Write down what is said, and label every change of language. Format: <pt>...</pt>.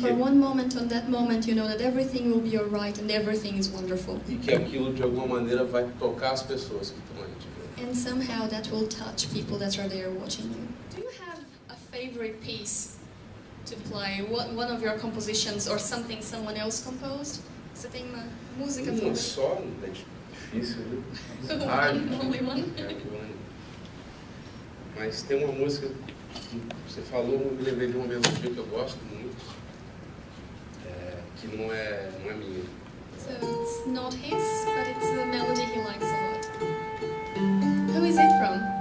<en>for que, one moment, on that moment, you know that everything will be alright and everything is wonderful.</en> <pt>E que aquilo de alguma maneira vai tocar as pessoas que estão ali te vendo.</pt> <en>And somehow that will touch people that are there watching you. Favorite piece to play? One of your compositions or something someone else composed?</en> <pt>Você tem uma música favorita? Uma só? É difícil,</pt> <en>né? Only one?</en> <pt>Mas tem uma música que você falou, me lembrei de uma melodia que eu gosto muito, que não é minha.</pt> <en>So it's not his, but it's a melody he likes a lot. Who is it from?</en>